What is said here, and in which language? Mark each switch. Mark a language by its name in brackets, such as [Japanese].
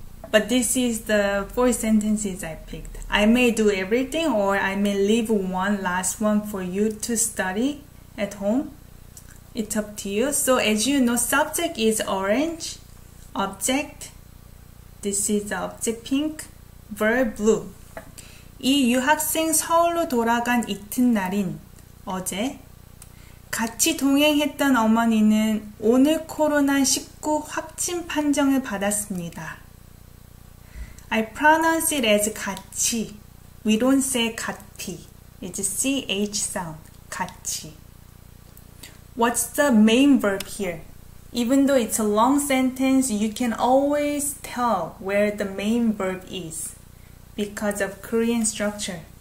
[English] But this is the four sentences I picked. I may do everything, or I may leave one last one for you to study at home. It's up to you. So as you know, subject is orange, object, this is the object pink, verb blue. [Korean] 이 유학생 서울로 돌아간 이튿날인 어제 같이 동행했던 어머니는 오늘 코로나19 확진 판정을 받았습니다. [English] I pronounce it as 같이. We don't say 같이. It's a CH sound. 같이. What's the main verb here? Even though it's a long sentence, you can always tell where the main verb is because of Korean structure.